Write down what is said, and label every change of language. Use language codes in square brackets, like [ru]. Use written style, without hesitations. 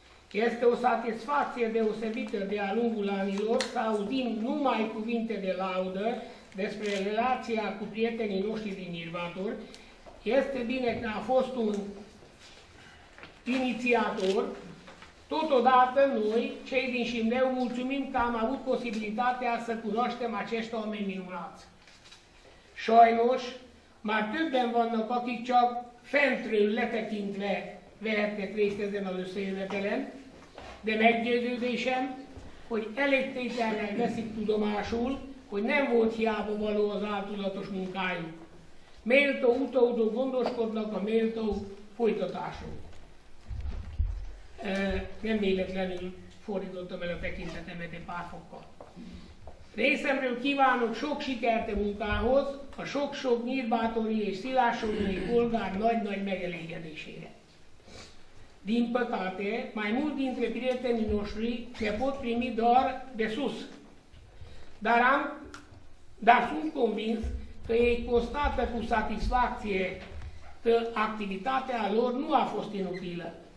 [ro] Este o satisfacție deosebită de a lungul anilor să audim numai cuvinte de laudă despre relația cu prietenii noștri din Nyírbátor. Este bine că a fost un inițiator. Totodată noi, cei din Șimleu, mulțumim că am avut posibilitatea să cunoaștem acești oameni minunați. [hu] Sajnos, mai többen vannak, akik csak fentről letekintve vehetnek részt ezen az összejövetelen, de meggyőződésem, hogy elégtétellel veszik tudomásul, hogy nem volt hiába való az áldozatos munkájuk. Méltó utódok gondoskodnak a méltó folytatásról. Nem véletlenül fordítottam el a tekintetemet egy pár fokkal. Részemről kívánok sok sikert a munkához, a sok-sok nyírbátori és szilássomói polgár nagy-nagy megelégedésére. [ro] Din păcate, mai mulți dintre prietenii noștri se pot primi doar de sus. Dar sunt convins că ei constată cu satisfacție că activitatea lor nu a fost inutilă.